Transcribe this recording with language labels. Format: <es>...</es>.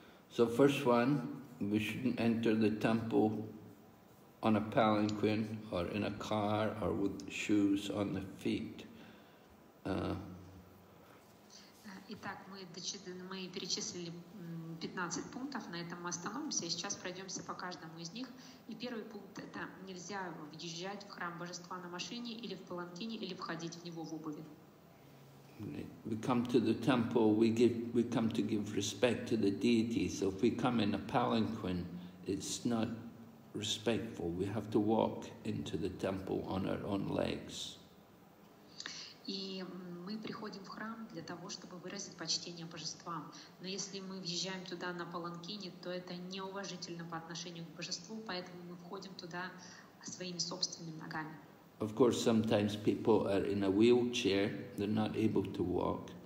<en>So first one, we shouldn't enter the temple on a palanquin or in a car or with shoes on the feet.</en> <ru>Итак, мы перечислили 15 пунктов, на этом мы остановимся, и сейчас пройдемся по каждому из них. И первый пункт – это нельзя въезжать в храм божества на машине или в паланкине, или входить в него в обуви.</ru> <en>We come to the temple, we come to give respect to the deity. So if we come in a palanquin, it's not respectful. We have to walk into the temple on our own legs.</en> <ru>И мы приходим в храм для того, чтобы выразить почтение божествам. Но если мы въезжаем туда на паланкине, то это неуважительно по отношению к божеству, поэтому мы входим туда своими собственными ногами.</ru> <en>Of course, sometimes people are in a wheelchair, they're not able to walk.</en>